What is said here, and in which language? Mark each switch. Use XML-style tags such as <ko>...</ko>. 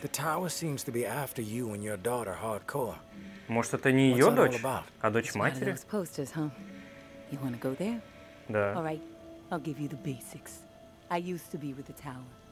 <en>The tower seems to be after you and your daughter hardcore.</en> <ru>Может, это не ее дочь, а дочь матери?</ru> <en>Posters, huh?</en> <ru>Да.</ru> <en>All right, I'll give you the basics. I used to be with the tower.</en>